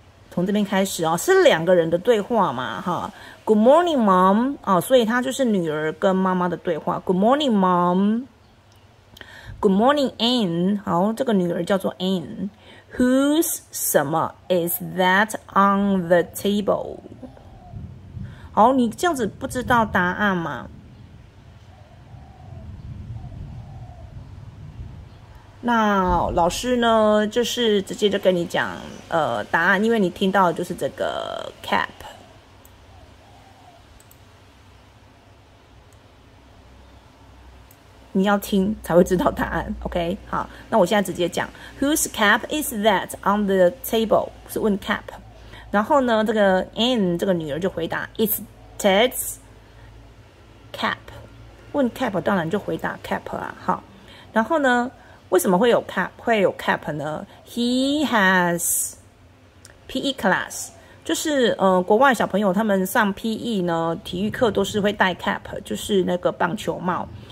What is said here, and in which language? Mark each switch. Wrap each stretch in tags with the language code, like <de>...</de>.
<zh>从这边开始哦，是两个人的对话嘛哈。 Good morning mom、所以他就是女儿跟妈妈的对话。</zh> <en>Good morning momGood morning, Anne.</en> <zh>好，这个女儿叫做 Anne.</zh> <en>Who's 什么 is that on the table?</en> <zh>好，你这样子不知道答案吗？那老师呢，就是直接就跟你讲答案，因为你听到的就是这个 cap。你要听才会知道答案 ，OK？好，那我现在直接讲 ， Whose cap is that on the table？是问 cap， 然后呢，这个 Anne 这个女儿就回答 ， It's Ted's cap。问 cap 当然就回答 cap 啊，好。然后呢，为什么会有 cap？会有 cap 呢 ？ He has PE class，就是国外小朋友他们上 PE 呢，体育课都是会戴 cap， 就是那个棒球帽。</zh>